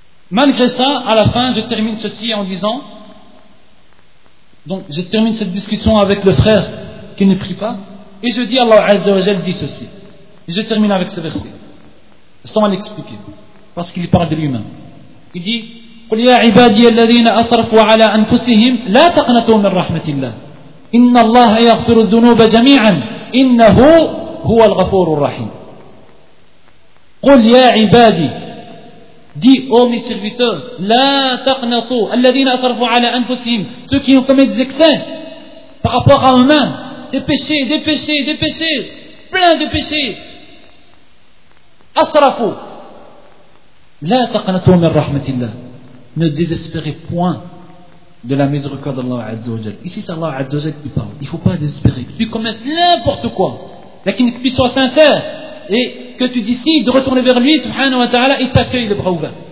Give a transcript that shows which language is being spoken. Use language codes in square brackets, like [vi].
[fr] Malgré ça, à la fin, je termine ceci en disant, donc je termine cette discussion avec le frère qui ne prie pas, et je dis, Allah Azza wa Jal dit ceci, et je termine avec ce verset, sans l'expliquer, parce qu'il parle de lui-même. Il dit [ar] قل يا عبادي الذين أسرفوا على أنفسهم لا تقنطوا من رحمة الله إن الله يغفر الذنوب جميعا إنه هو الغفور الرحيم قل يا عبادي [fr] dit ô mes serviteurs [ar] لا تقنطوا الذين أسرفوا على أنفسهم [fr] ceux qui ont commis des excès par rapport à eux-mêmes des péchés plein de péchés [ar] أسرفوا لا تقنطوا من رحمة الله [fr] Ne désespérez point de la miséricorde d'Allah Azzawajal. Ici, c'est Allah Azzawajal qui parle. Il ne faut pas désespérer. Tu peux commettre n'importe quoi. Mais que tu sois sincère et que tu décides de retourner vers lui, subhanahu wa ta'ala, il t'accueille les bras ouverts.